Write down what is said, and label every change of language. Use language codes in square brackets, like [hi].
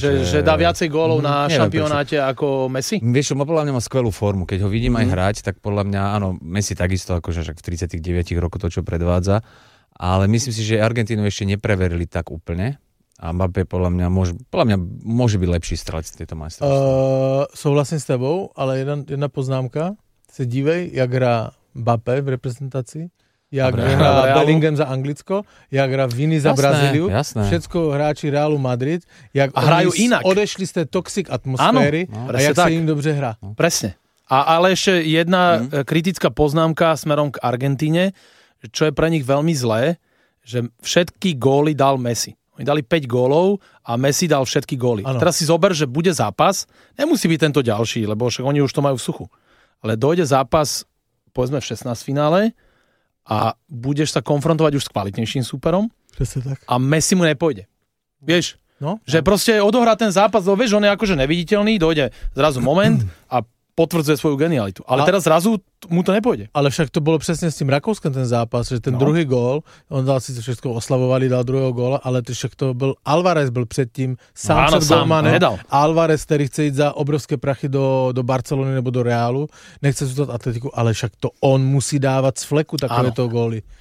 [sk] Že dá viacej gólov na šampionáte ako Messi? Vieš, on podľa mňa má skvelú formu. Keď ho vidím aj hrať, tak podľa mňa, áno, Messi takisto, akože však v 39 rokoch to, čo predvádza. Ale myslím si, že Argentínu ešte nepreverili tak úplne. A Mbappé podľa mňa môže byť lepší strelec tieto majstrovstvá. [cs] Souhlasím s tebou, ale jedna poznámka. Se dívej, jak hrá Mbappé v reprezentácii, jak hrá Bellingham za Anglicko, jak hrá Vini za Brazíliu. [sk] Jasné. Všetko hráči Realu Madrid. Jak a hrajú inak. [cs] Odešli z tej toxic atmosféry a jak tak. Sa im dobře hrá. [sk] No. Presne. Ale ešte jedna kritická poznámka smerom k Argentíne. Čo je pre nich veľmi zlé, že všetky góly dal Messi. Oni dali 5 gólov a Messi dal všetky góly. Ano. Teraz si zober, že bude zápas, nemusí byť tento ďalší, lebo však oni už to majú v suchu. Ale dojde zápas, povedzme v 16 finále a budeš sa konfrontovať už s kvalitnejším súperom. Presne tak. A Messi mu nepôjde. Vieš, no, že proste odohrá ten zápas, lebo vieš, on je akože neviditeľný, dojde zrazu moment a potvrdzuje svoju genialitu. Ale teraz zrazu mu to nepôjde. Ale však to bolo presne s tým Rakouskem ten zápas, že ten druhý gól, on dal si to všetko oslavovali, dal druhého góla, ale to však to byl Alvarez, [cs] byl předtím sám před gólmanem. Alvarez, který chce jít za obrovské prachy do Barcelony nebo do Reálu, nechce zůstat Atletiku, ale však to on musí dávat z fleku takovéto góly.